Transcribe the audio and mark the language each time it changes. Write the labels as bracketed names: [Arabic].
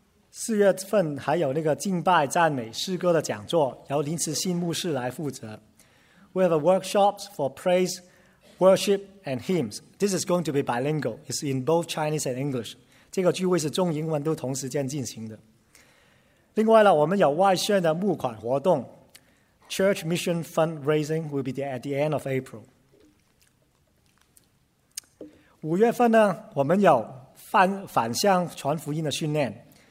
[Chinese] 四月份还有那个敬拜赞美诗歌的讲座，由林慈信牧师来负责。 [English] We have workshops for praise. Worship and hymns. This is going to be bilingual. It's in both Chinese and English. [Chinese] 这个聚会是中英文都同时间进行的。另外呢，我们有外宣的募款活动。 [English] Church Mission Fundraising will be at the end of April. [Chinese] 五月份呢，我们有返乡传福音的训练。